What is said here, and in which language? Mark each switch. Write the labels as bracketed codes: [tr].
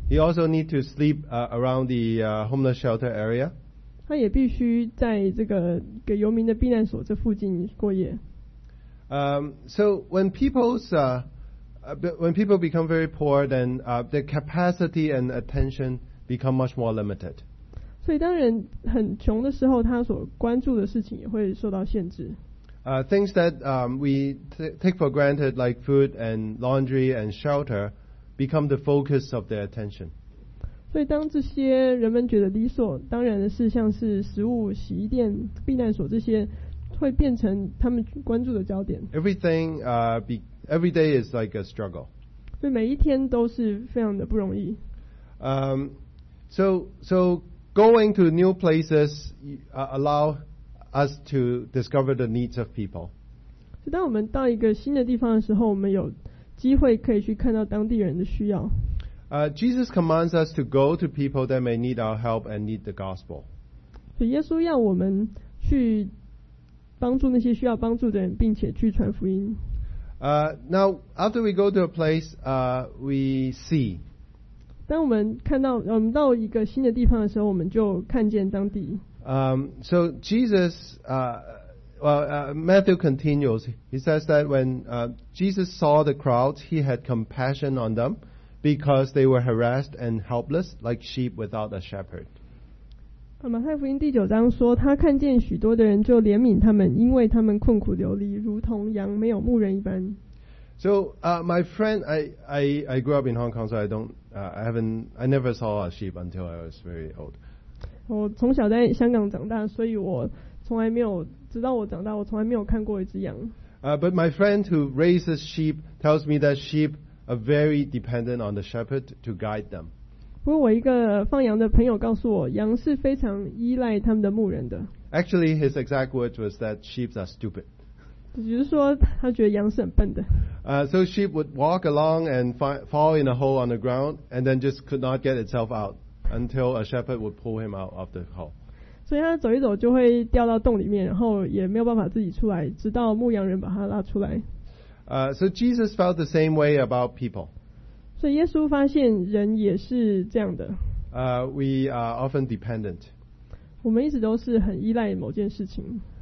[en] He also need to sleep around the homeless shelter area. [zh] 他也必须在这个给游民的避难所这附近过夜。 [en] So when people become very poor, then their capacity and attention become much more limited. [zh] 所以当人很穷的时候，他所关注的事情也会受到限制。 [en] Things that we take for granted, like food and laundry and shelter, become the focus of their attention. [zh] 所以当这些人们觉得理所当然的事，像是食物、洗衣店、避难所这些，会变成他们关注的焦点。 [en] Everything, every day is like a struggle. [zh] 所以每一天都是非常的不容易。 [en] So going to new places allow us to discover the needs of people. [zh] 所以当我们到一个新的地方的时候，我们有机会可以去看到当地人的需要。 [en] Jesus commands us to go to people that may need our help and need the gospel. [zh] 所以耶稣要我们去帮助那些需要帮助的人，并且去传福音。 [en] Now after we go to a place, we see. [zh] 当我们看到我们到一个新的地方的时候，我们就看见当地。 [en] So Jesus, Matthew continues. He says that when Jesus saw the crowds, he had compassion on them because they were harassed and helpless, like sheep without a shepherd. [zh] 马太福音第九章说，他看见许多的人，就怜悯他们，因为他们困苦流离，如同羊没有牧人一般。 [en] So, my friend, I grew up in Hong Kong, so I never saw a sheep until I was very old. [zh] 我从小在香港长大，所以我从来没有，直到我长大，我从来没有看过一只羊。 [en] But my friend who raises sheep tells me that sheep are very dependent on the shepherd to guide them. [zh] 不过我一个放羊的朋友告诉我，羊是非常依赖他们的牧人的。 [en] Actually, his exact words was that sheep are stupid. [zh] 也就是说，他觉得羊是很笨的。 [en] So sheep would walk along and fall in a hole on the ground, and then just could not get itself out until a shepherd would pull him out of the hole. [zh] 所以他走一走就会掉到洞里面，然后也没有办法自己出来，直到牧羊人把他拉出来。 [en] So Jesus felt the same way about people. [zh] 所以耶稣发现人也是这样的。 [en] We are often dependent. [zh] 我们一直都是很依赖某件事情。